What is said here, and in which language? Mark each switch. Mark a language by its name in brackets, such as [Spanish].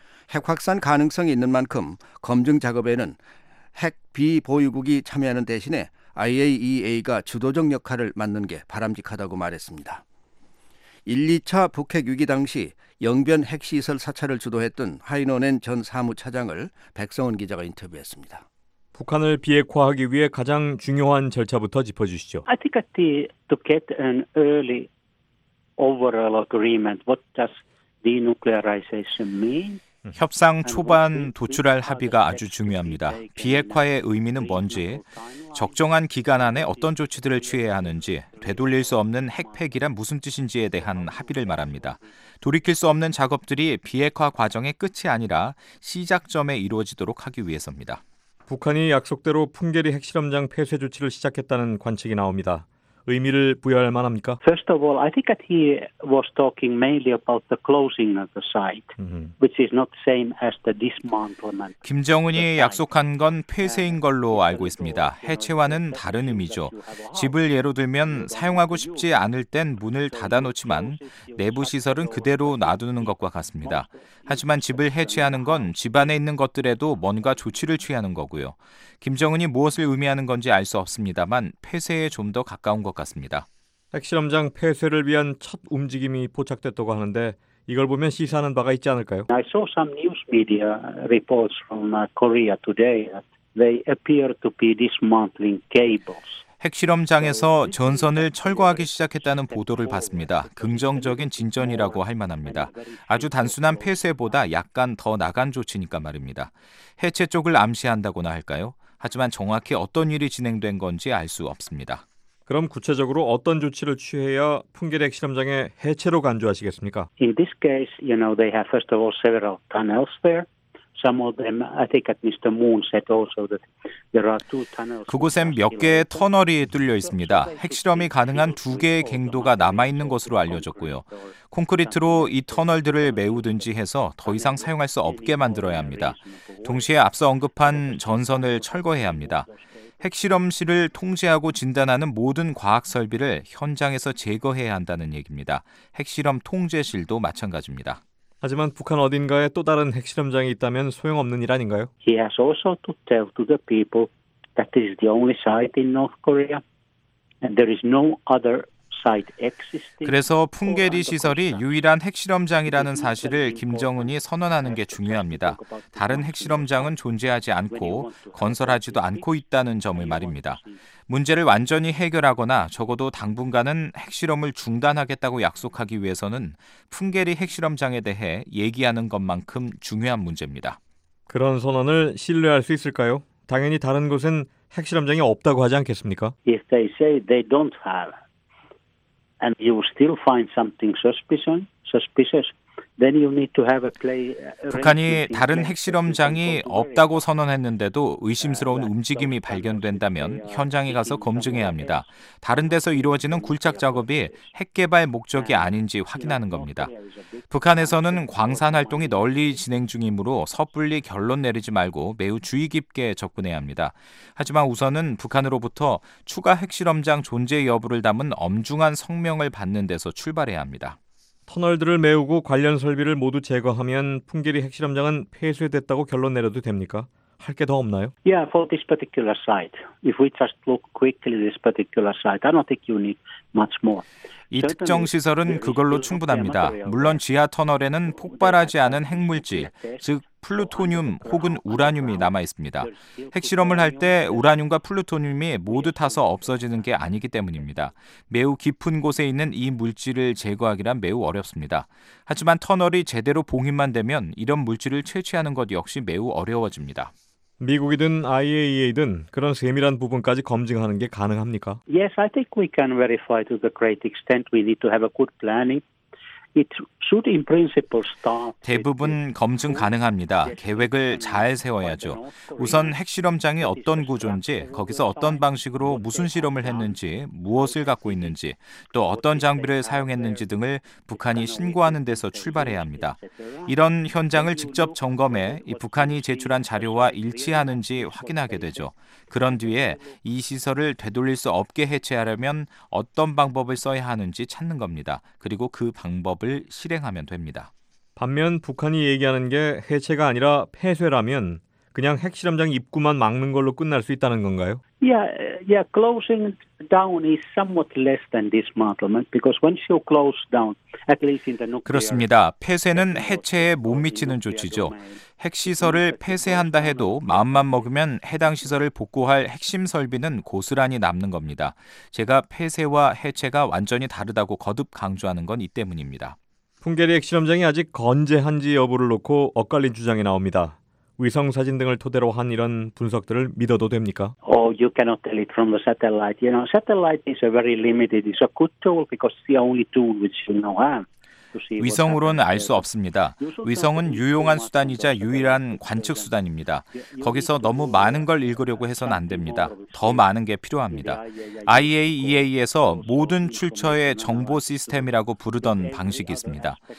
[Korean] 핵 확산 가능성이 있는 만큼 검증 작업에는 핵 비보유국이 참여하는 대신에 IAEA가 주도적 역할을 맡는 게 바람직하다고 말했습니다. 1, 2차 북핵 위기 당시 영변 핵시설 사찰을 주도했던 하이노넨 전 사무차장을 백성원 기자가 인터뷰했습니다. 북한을 비핵화하기 위해 가장 중요한 절차부터 짚어주시죠. [English] I think that to get an early overall agreement, what does denuclearization mean? [Korean] 협상 초반 도출할 합의가 아주 중요합니다. 비핵화의 의미는 뭔지, 적정한 기간 안에 어떤 조치들을 취해야 하는지, 되돌릴 수 없는 핵폐기란 무슨 뜻인지에 대한 합의를 말합니다. 돌이킬 수 없는 작업들이 비핵화 과정의 끝이 아니라 시작점에 이루어지도록 하기 위해서입니다. 북한이 약속대로 풍계리 핵실험장 폐쇄 조치를 시작했다는 관측이 나옵니다. 의미를 부여할 만합니까? [English] First of all, I think that he was talking mainly about the closing of the site, which is not the same as the dismantlement. [Korean] 김정은이 약속한 건 폐쇄인 걸로 알고 있습니다. 해체와는 다른 의미죠. 집을 예로 들면 사용하고 싶지 않을 땐 문을 닫아 놓지만 내부 시설은 그대로 놔두는 것과 같습니다. 하지만 집을 해체하는 건 집 안에 있는 것들에도 뭔가 조치를 취하는 거고요. 김정은이 무엇을 의미하는 건지 알 수 없습니다만 폐쇄에 좀 더 가까운 것 같습니다. 핵실험장 폐쇄를 위한 첫 움직임이 포착됐다고 하는데 이걸 보면 시사하는 바가 있지 않을까요? [English] I saw some news media reports from Korea today that they appear to be dismantling cables. [Korean] 핵실험장에서 전선을 철거하기 시작했다는 보도를 봤습니다. 긍정적인 진전이라고 할 만합니다. 아주 단순한 폐쇄보다 약간 더 나간 조치니까 말입니다. 해체 쪽을 암시한다고나 할까요? 하지만 정확히 어떤 일이 진행된 건지 알 수 없습니다. 그럼 구체적으로 어떤 조치를 취해야 풍계리 핵실험장의 해체로 간주하시겠습니까? [English] In this case, you know, they have first of all several tunnels there. Some of them, I think that Mr. Moon said also that there are two tunnels. [Korean] 그곳엔 몇 개의 터널이 뚫려 있습니다. 핵실험이 가능한 두 개의 갱도가 남아 있는 것으로 알려졌고요. 콘크리트로 이 터널들을 메우든지 해서 더 이상 사용할 수 없게 만들어야 합니다. 동시에 앞서 언급한 전선을 철거해야 합니다. 핵실험실을 통제하고 진단하는 모든 과학 설비를 현장에서 제거해야 한다는 얘기입니다. 핵실험 통제실도 마찬가지입니다. 하지만 북한 어딘가에 또 다른 핵실험장이 있다면 소용없는 일 아닌가요? [English] He has also to tell to the people that this is the only site in North Korea and there is no other site existing. [Korean] 그래서 풍계리 시설이 유일한 핵실험장이라는 사실을 김정은이 선언하는 게 중요합니다. 다른 핵실험장은 존재하지 않고 건설하지도 않고 있다는 점을 말입니다. 문제를 완전히 해결하거나 적어도 당분간은 핵실험을 중단하겠다고 약속하기 위해서는 풍계리 핵실험장에 대해 얘기하는 것만큼 중요한 문제입니다. 그런 선언을 신뢰할 수 있을까요? 당연히 다른 곳은 핵실험장이 없다고 하지 않겠습니까? [English] If they say they don't have and you still find something suspicious, [Korean] 북한이 다른 핵실험장이 없다고 선언했는데도 의심스러운 움직임이 발견된다면 현장에 가서 검증해야 합니다. 다른 데서 이루어지는 굴착 작업이 핵 개발 목적이 아닌지 확인하는 겁니다. 북한에서는 광산 활동이 널리 진행 중이므로 섣불리 결론 내리지 말고 매우 주의 깊게 접근해야 합니다. 하지만 우선은 북한으로부터 추가 핵실험장 존재 여부를 담은 엄중한 성명을 받는 데서 출발해야 합니다. 터널들을 메우고 관련 설비를 모두 제거하면 풍계리 핵실험장은 폐쇄됐다고 결론 내려도 됩니까? 할 게 더 없나요? [English] Yeah, for this particular site. If we just look quickly this particular site, I don't think you need much more. [Korean] 이 특정 시설은 그걸로 충분합니다. 물론 지하 터널에는 폭발하지 않은 핵물질, 즉 플루토늄 혹은 우라늄이 남아 있습니다. 핵실험을 할 때 우라늄과 플루토늄이 모두 타서 없어지는 게 아니기 때문입니다. 매우 깊은 곳에 있는 이 물질을 제거하기란 매우 어렵습니다. 하지만 터널이 제대로 봉인만 되면 이런 물질을 채취하는 것 역시 매우 어려워집니다. 미국이든 IAEA든 그런 세밀한 부분까지 검증하는 게 가능합니까? [English] Yes, I think we can verify to the great extent. We need to have a good planning. It should in principle start. [Korean] 대부분 검증 가능합니다. 계획을 잘 세워야죠. 우선 핵실험장이 어떤 구조인지, 거기서 어떤 방식으로 무슨 실험을 했는지, 무엇을 갖고 있는지, 또 어떤 장비를 사용했는지 등을 북한이 신고하는 데서 출발해야 합니다. 이런 현장을 직접 점검해 이 북한이 제출한 자료와 일치하는지 확인하게 되죠. 그런 뒤에 이 시설을 되돌릴 수 없게 해체하려면 어떤 방법을 써야 하는지 찾는 겁니다. 그리고 그 방법을 실행하면 됩니다. 반면 북한이 얘기하는 게 해체가 아니라 폐쇄라면 그냥 핵실험장 입구만 막는 걸로 끝날 수 있다는 건가요? [English] Yeah, closing down is somewhat less than dismantlement because once you close down, at least in the nuclear. [Korean] 그렇습니다. 폐쇄는 해체에 못 미치는 조치죠. 핵시설을 폐쇄한다 해도 마음만 먹으면 해당 시설을 복구할 핵심 설비는 고스란히 남는 겁니다. 제가 폐쇄와 해체가 완전히 다르다고 거듭 강조하는 건 이 때문입니다. 풍계리 핵실험장이 아직 건재한지 여부를 놓고 엇갈린 주장이 나옵니다. 위성 사진 등을 토대로 한 이런 분석들을 믿어도 됩니까? [English] Oh, you cannot tell it from the satellite. You know, satellite is a very limited. It's a good tool because it's the only tool which you know. [Korean] 위성으로는 알 수 없습니다. 위성은 유용한 수단이자 유일한 관측 수단입니다. 거기서 너무 많은 걸 읽으려고 해서는 안 됩니다. 더 많은 게 필요합니다. IAEA에서 모든 출처의 정보 시스템이라고 부르던 방식이 있습니다.